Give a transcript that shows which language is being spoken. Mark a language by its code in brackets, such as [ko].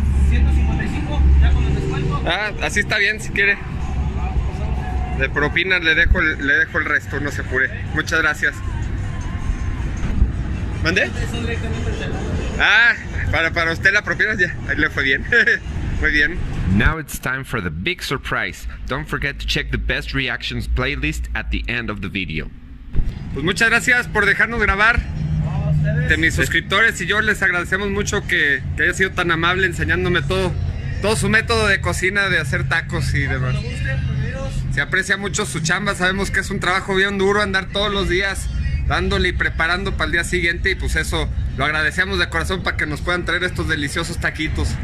[es] 155, ya con el descuento. Ah, así está bien, si quiere. De propina le dejo el resto, no se apure. Muchas gracias. ¿Mandé? Ah, para usted la propina ya, ahí le fue bien. Muy bien. [en] Now it's time for the big surprise. Don't forget to check the best reactions playlist at the end of the video. [es] Pues muchas gracias por dejarnos grabar. De mis suscriptores y yo les agradecemos mucho que haya sido tan amable enseñándome todo su método de cocina, de hacer tacos y demás. Se aprecia mucho su chamba, sabemos que es un trabajo bien duro andar todos los días dándole y preparando para el día siguiente, y pues eso lo agradecemos de corazón para que nos puedan traer estos deliciosos taquitos.